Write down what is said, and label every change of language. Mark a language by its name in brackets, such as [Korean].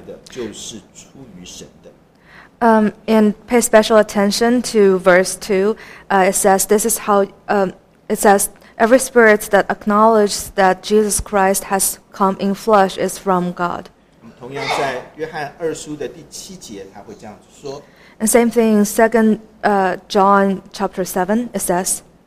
[Chinese] 特别注意第二节那个地方，他用正面的叙述的方式，他说：“凡灵认耶稣基督是成了肉身来的，就是出于神的。” [English] And pay special attention to verse 2. It says, "This is how." It says, "Every spirit that acknowledges that Jesus Christ has come in flesh is from God." [Chinese] 同样在约翰二书的第七节，他会这样子说。 [English] And same thing in Second John chapter 7, it says,